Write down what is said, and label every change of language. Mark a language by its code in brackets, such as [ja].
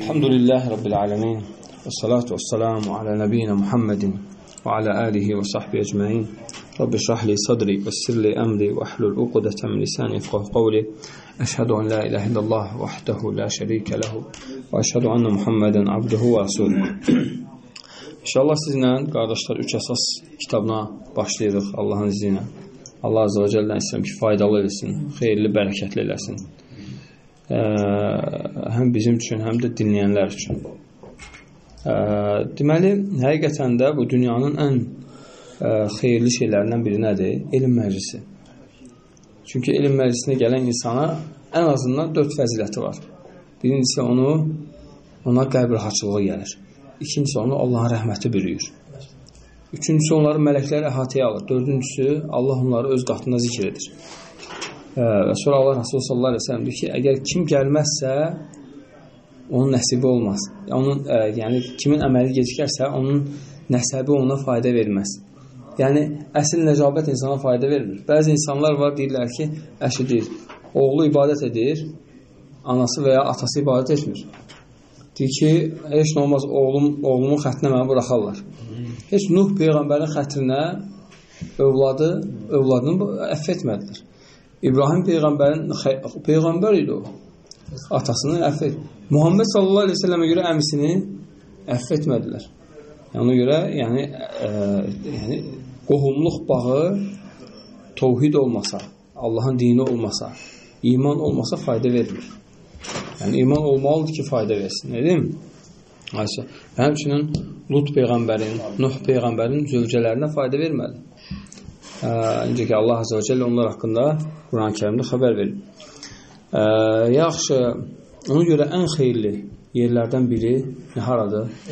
[ar] الحمد لله رب العالمين، والصلاة والسلام على نبينا محمد وعلى آله وصحبه أجمعين. رب اشرح لي صدري ويسر لي أمري واحلل عقدة من لساني يفقهوا قولي. أشهد أن لا إله إلا الله وحده لا شريك له، وأشهد أن محمدا عبده ورسوله. [az] İnşallah sizinlə, qardaşlar, 3 əsas kitabına başlayırıq Allahın izni ilə. Allah Azza və Cəllə istəyirəm ki, faydalı eləsin, xeyirli, bərəkətli eləsin. Həm bizim üçün, həm də dinləyənlər üçün. Deməli, həqiqətən də bu dünyanın ən xeyirli şeylərindən biri nədir? Elm məclisi. Çünki elm məclisinə gələn insana ən azından 4 fəziləti var. Birincisi, ona qəbr haçılığı gəlir. İkincisi, onu Allahın rəhməti bürüyür. Üçüncüsü, onları mələklər əhatəyə alır. Dördüncüsü, Allah onları öz qatında zikr edir. Və sonra Allah Rasulü sallallahu əleyhi və səlləm deyir ki, əgər kim gəlməzsə, onun nəsibi olmaz. Onun, yəni, kimin əməli gecikərsə, onun nəsəbi ona fayda verməz. Yəni, əsl nəcabət insana fayda verir. Bəzi insanlar var, deyirlər ki, əşi deyir, oğlu ibadət edir, anası və ya atası ibadət etmir. Deyir ki, heç nə olmaz, oğlumun xətrinə mənə buraxarlar. Heç Nuh Peyğəmbərin xətrinə övladını əff etmədilər. İbrahim Peyğəmbərin Peyğəmbər idi o, atasını əff etmədilər. Muhammed sallallahu aleyhi ve selləmə görə əmisini əff etmədilər. Ona görə, yəni qohumluq bağı tovhid olmasa, Allahın dini olmasa, iman olmasa fayda vermir. Yəni, iman olmalıdır ki, fayda versin, dedim. Həmçinin Lut Peyğəmbərin, Nuh Peyğəmbərin zövcələrinə fayda verməli. İncə ki, Allah Azə və Cəllə onlar haqqında Quran-ı Kərimdə xəbər verir. Yaxşı, ona görə ən xeyirli yerlərdən biri haradır?